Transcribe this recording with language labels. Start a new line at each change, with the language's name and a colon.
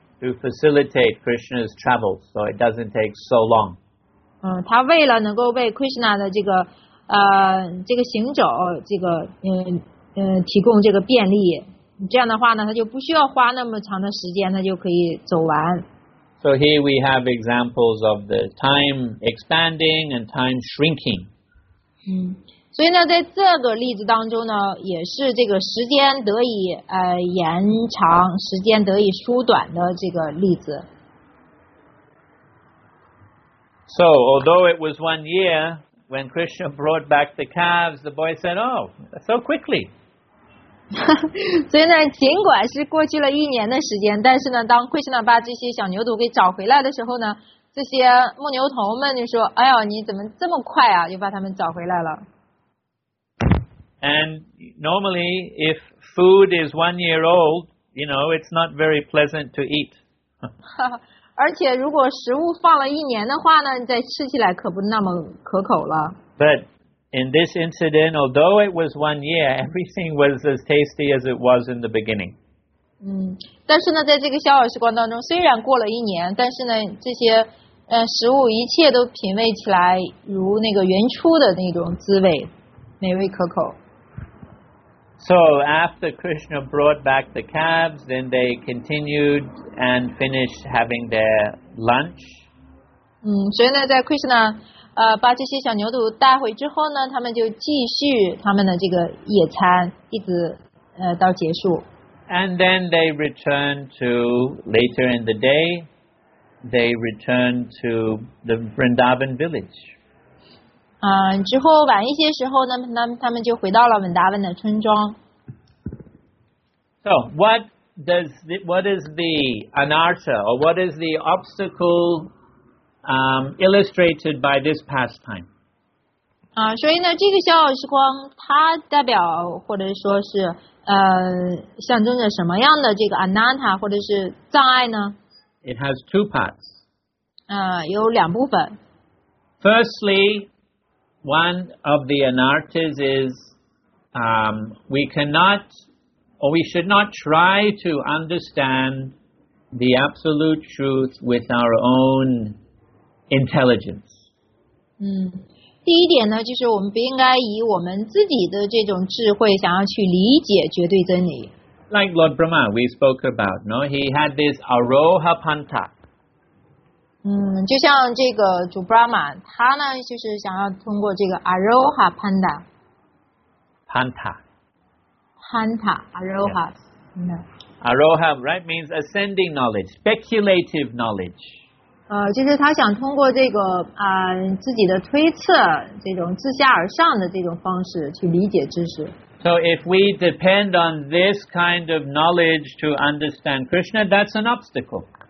English: To facilitate Krishna's travels, so it doesn't take so long.
Chinese: 他为了能够为 Krishna 的这个这个行走，这个提供这个便利，这样的话呢，他就不需要花那么长的时间，他就可以走完。
English: So here we have examples of the time expanding and time shrinking.
Chinese: 所以呢，在这个例子当中呢，也是这个时间得以延长，时间得以缩短的这个例子。
English: So although it was 1 year. When Krishna brought back the calves, the boy said, "Oh, so quickly."
Chinese: 所以呢，尽管是过去了一年的时间，但是呢，当 Krishna 把这些小牛犊给找回来的时候呢，这些牧牛头们就说：“哎呦，你怎么这么快啊？又把他们找回来了。”
English: And normally, if food is 1 year old, you know, it's not very pleasant to eat.
Chinese: 而且如果食物放了一年的话呢，再吃起来可不那么可口了。
English: But in this incident, although it was 1 year, everything was as tasty as it was in the beginning.
Chinese: 但是呢，在这个小小时光当中，虽然过了一年，但是呢，这些食物一切都品味起来如那个原初的那种滋味，美味可口。
English: So after Krishna brought back the calves, then they continued and finished having their lunch.
Chinese: 所以呢，在 Krishna 把这些小牛犊带回之后呢，他们就继续他们的这个野餐，一直到结束。
English: And then they return to later in the day, they return to the Vrindavan village.
Chinese: 之后晚一些时候呢，他们就回到了文达文的村庄。
English: So what is the anarta or what is the obstacle illustrated by this pastime?
Chinese: 所以呢，这个逍遥时光它代表或者说是象征着什么样的这个 anatta 或者是障碍呢？
English: It has two parts.
Chinese: 有两部分。
English: Firstly, one of the anattas is we cannot. Or we should not try to understand the absolute truth with our own intelligence.
Chinese: 第一点呢，就是我们不应该以我们自己的这种智慧想要去理解绝对真理。
English: Like Lord Brahma, we spoke about, no? He had this aroha panta.
Chinese: 就像这个主 Brahma, 他呢就是想要通过这个 aroha panta.
English: Panta. Panta, aroha. Yes. Aroha, right, means ascending knowledge, speculative knowledge.
Chinese: 就是他想通过这个自己的推测，这种自下而上的这种方式去理解知识。
English: So if we depend on this kind of knowledge to understand Krishna, that's an obstacle.